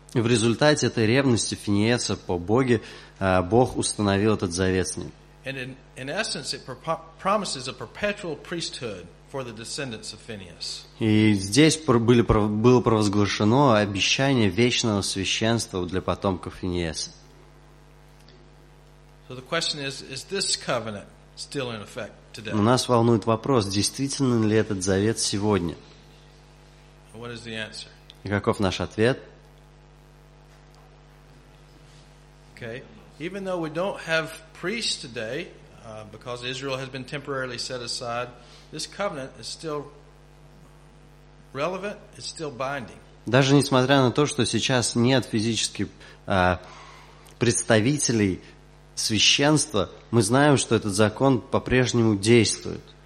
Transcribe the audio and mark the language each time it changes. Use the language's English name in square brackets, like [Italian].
[Russian] И в результате этой ревности Финиеса по Боге, Бог установил этот завет с ним. [English] And in essence, it promises a perpetual priesthood for the descendants of Phinehas. [Russian] И здесь было провозглашено обещание вечного священства для потомков Финиеса. [English] So the question is this covenant still in effect today? [Russian] Нас волнует вопрос, действительно ли этот завет сегодня? [English] What is the answer? [Russian] И каков наш ответ? [English] Okay. Even though we don't have priests today, because Israel has been temporarily set aside, this covenant is still relevant, it's still binding. [Russian] Даже несмотря на то, что сейчас нет физически представителей священство, мы знаем, что этот закон по-прежнему действует.